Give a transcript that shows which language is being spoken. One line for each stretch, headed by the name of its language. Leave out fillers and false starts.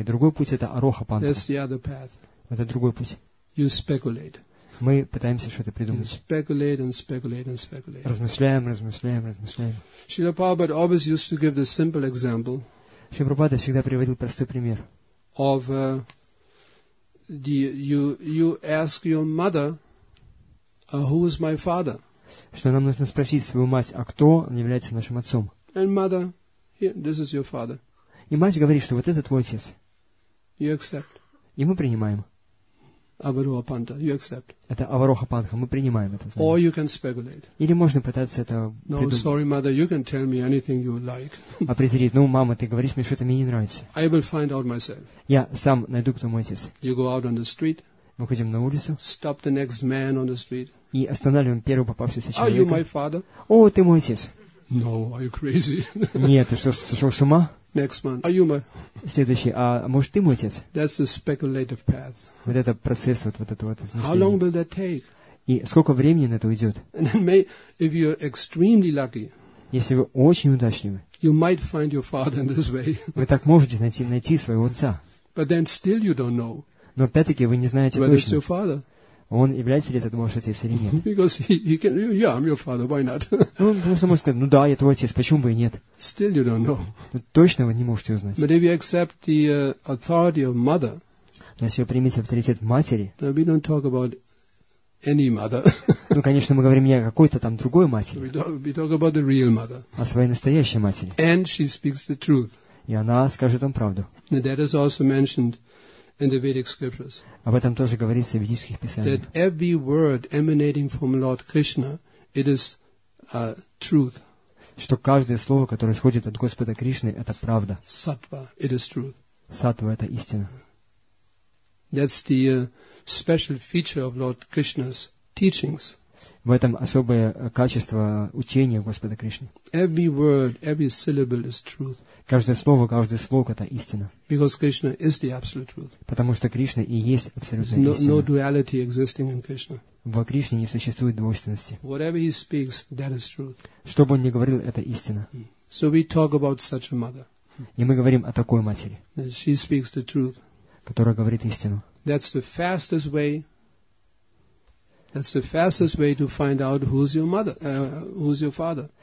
Russian: И другой путь – это Арохапанта.
English: That's the other path.
Russian: Это другой путь.
English: You speculate.
Russian: Мы пытаемся что-то придумать.
English: You speculate and speculate and speculate.
Russian: Размышляем, размышляем, размышляем.
English: Шрила Прабхупада always used to give the simple example.
Russian: Шрила Прабхупада всегда приводил простой пример.
English: Of you ask your mother, who is my father?
Russian: Что нам нужно спросить свою мать, а кто является нашим отцом?
English: And mother, this is your father.
Russian: И мать говорит, что вот это твой отец.
English: You accept.
Russian: И мы принимаем.
English: Аварохапанта, you accept.
Russian: Это Аварохапанта, мы принимаем это.
English: Or you can speculate.
Russian: Или можно пытаться это придумать.
English: No, sorry, mother, you can tell me anything you like.
Russian: Определить, ну, мама, ты говоришь мне, что-то мне не нравится.
English: I will find out myself.
Russian: Я сам найду, кто мой отец.
English: You go out on the street.
Russian: Выходим на улицу.
English: Stop the next man on the street.
Russian: И останавливаем первого попавшегося человека.
English: Are you my father?
Russian: О, ты мой отец.
English: No, are you crazy?
Russian: Нет, ты что, сошел с ума?
English: Next man. Are you my...
Russian: Следующий, а может ты мой отец?
English: That's the speculative path.
Russian: Вот это процесс вот этого вот. Это
English: How long will that take?
Russian: И сколько времени на это уйдет?
English: And may, if you're extremely lucky.
Russian: Если вы очень удачливы.
English: You might find your father in this way.
Russian: Вы так можете найти своего отца.
English: But then still you don't know.
Russian: Но опять-таки вы не знаете
English: whether
Russian: точно.
English: It's your father.
Russian: Он является ли этот ваш отец или нет?
English: Because he can, yeah, I'm your father. Why not?
Russian: Ну, просто можно сказать, ну да, я твой отец. Почему бы и нет?
English: Still you don't know.
Russian: Точно вы не можете узнать.
English: But if you accept the authority of mother,
Russian: но если вы примете авторитет матери,
English: then we don't talk about any mother.
Russian: Ну, конечно, мы говорим не о какой-то там другой матери.
English: We talk about the real mother.
Russian: О своей настоящей матери.
English: And she speaks the truth.
Russian: И она скажет вам правду.
English: And that is also mentioned. In the Vedic scriptures.
Russian: Об этом тоже говорится в ведических писаниях.
English: That every word emanating from Lord Krishna, it is truth.
Russian: Что каждое слово, которое исходит от Господа Кришны, это правда.
English: Саттва, it is truth.
Russian: Саттва – это истина.
English: That's the special feature of Lord Krishna's teachings.
Russian: В этом особое качество учения Господа Кришны.
English: Every word, every syllable is truth.
Russian: Каждый слог – это истина.
English: Because Krishna is the absolute truth.
Russian: Потому что Кришна и есть абсолютная
English: no,
Russian: истина.
English: No duality existing in Krishna.
Russian: Во Кришне не существует двойственности.
English: Whatever he speaks, that is truth.
Russian: Что бы он ни говорил, это истина.
English: So we talk about such a mother.
Russian: И мы говорим о такой матери.
English: She speaks the truth.
Russian: Которая говорит истину.
English: That's the fastest way. That's the fastest way to find out who's your mother, who's your father.